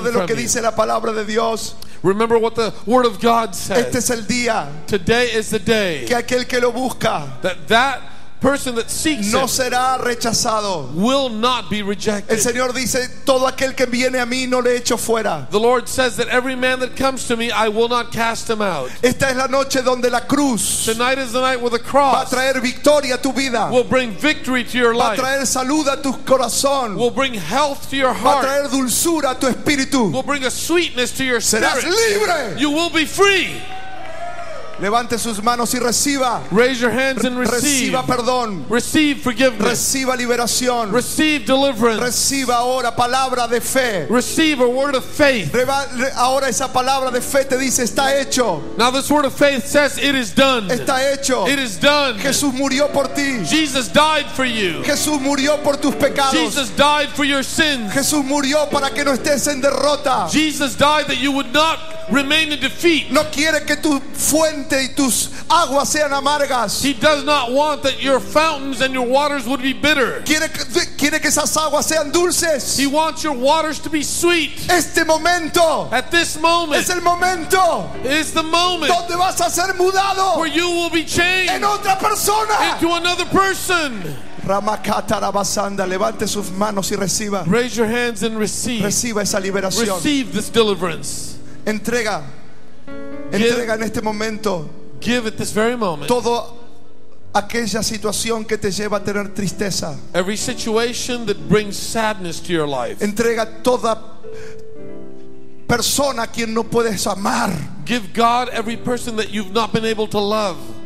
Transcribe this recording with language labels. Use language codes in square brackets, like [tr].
[es] Recuerde lo que dice la palabra de Dios. [en] Remember what the word of God says. [es] Este es el día. [en] Today is the day. [es] Que aquel que lo busca. [en] That person that seeks [es] no será rechazado. [en] Will not be rejected. [es] El Señor dice, todo aquel que viene a mí no le echo fuera. [en] The Lord says that every man that comes to me I will not cast him out. [es] Esta es la noche donde la cruz. [en] Tonight is the night where the cross [es] va a traer victoria a tu vida. [en] Will bring victory to your life. [es] Va a traer salud a tu corazón. [en] Will bring health to your heart. [es] Va a traer dulzura a tu espíritu. [en] Will bring a sweetness to your spirit. [es] Serás libre. [en] You will be free. [es] Levante sus manos y reciba. [en] Raise your hands and receive. [es] Reciba perdón. [en] Receive forgiveness. [es] Reciba liberación. [en] Receive deliverance. [es] Reciba ahora palabra de fe. [en] Receive a word of faith. [es] Ahora esa palabra de fe te dice está hecho. [en] Now this word of faith says it is done. [es] Está hecho. [en] It is done. [es] Jesús murió por ti. [en] Jesus died for you. [es] Jesús murió por tus pecados. [en] Jesus died for your sins. [es] Jesús murió para que no estés en derrota. [en] Jesus died that you would not remain in defeat. [es] No quiere que tu fuente y tus aguas sean amargas. [en] He does not want that your fountains and your waters would be bitter. [es] Quiere que esas aguas sean dulces. [en] He wants your waters to be sweet. [es] Este momento. [en] At this moment. [es] Es el momento. [en] Is the moment. [es] Donde vas a ser mudado. [en] Where you will be changed. [es] En otra persona. [en] Into another person. [es] Levante sus manos y reciba. [en] Raise your hands and receive. [es] Reciba esa liberación. [en] Receive this deliverance. [es] Entrega, entrega en este momento. [en] Give at this very moment. [es] Todo aquella situación que te lleva a tener tristeza. [en] Every situation that brings sadness to your life. [es] Entrega toda persona a quien no puedes amar. [en] Give God every person that you've not been able to love.